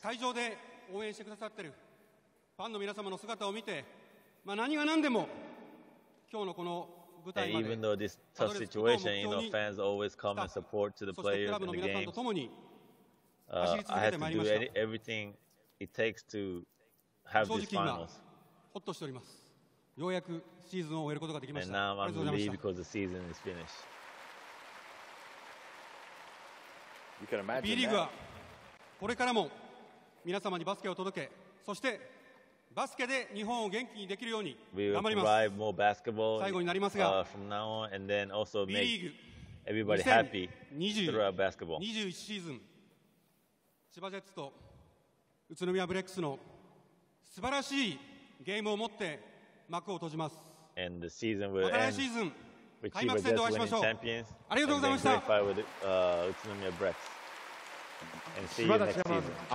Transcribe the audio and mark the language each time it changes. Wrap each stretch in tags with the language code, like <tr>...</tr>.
<ja>会場で応援してくださってるファンの皆様の姿を見て、まあ何が何でも今日のこの舞台まで。</ja> <en>Even though this tough situation, you know, fans always come and support to the players and the game. I had to do everything it takes to have these finals.</en> <ja>ほっとしております。ようやくシーズンを終えることができました。</ja> <en>And now I'm relieved because the season is finished. You can imagine that.</en> <ja>B リーグはこれからも皆様にバスケを届け、そしてバスケで日本を元気にできるように頑張ります。</ja> <en>We will provide more basketball.</en> <ja>最後になりますが、</ja> <en>from now on, and then also make everybody happy through our basketball.</en> <ja>21シーズン、千葉ジェッツと宇都宮ブレックスの素晴らしいゲームを持って。幕を閉じます。</ja> <en>And the season will</en> <ja>また来シーズン、開幕戦でお会いしましょう。</ja> <en>Champions.</en> <ja>ありがとうございました。</ja> <en>And with, 宇都宮 Brex. And see you next season.</en>